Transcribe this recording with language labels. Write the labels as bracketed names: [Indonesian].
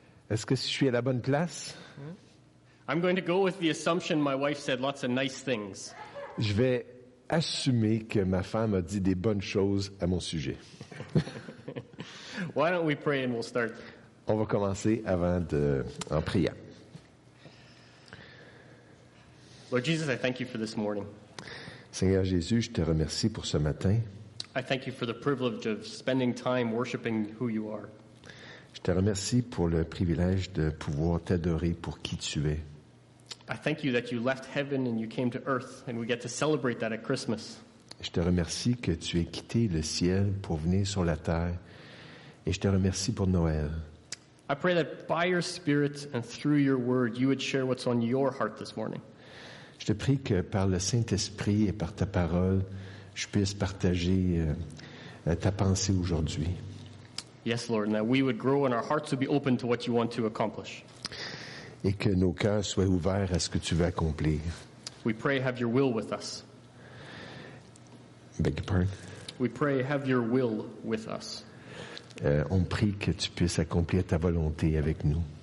[French] Est-ce que je suis à la bonne place? [English] I'm going to go with the assumption my wife said lots of nice things. [French] Je vais assumer que ma femme a dit des bonnes choses à mon sujet. [English] Why don't we pray and we'll start? [French] On va commencer avant de en prière. [English] Lord Jesus, I thank you for this morning. [French] Seigneur Jésus, je te remercie pour ce matin. [English] I thank you for the privilege of spending time worshiping who you are. [French] Je te remercie pour le privilège de pouvoir t'adorer pour qui tu es. [English] I thank you that you left heaven and you came to earth and we get to celebrate that at Christmas. [French] Je te remercie que tu aies quitté le ciel pour venir sur la terre et je te remercie pour Noël. [English] I pray that by your spirit and through your word you would share what's on your heart this morning. [French] Je te prie que par le Saint-Esprit et par ta parole je puisse partager ta pensée aujourd'hui. [English] Yes, Lord, and that we would grow and our hearts would be open to what you want to accomplish. [French] Et que nos cœurs soient ouverts à ce que tu veux accomplir. [English] We pray, have your will with us. Beg your pardon. We pray, have your will with us. [French] On prie que tu puisses accomplir ta volonté avec nous.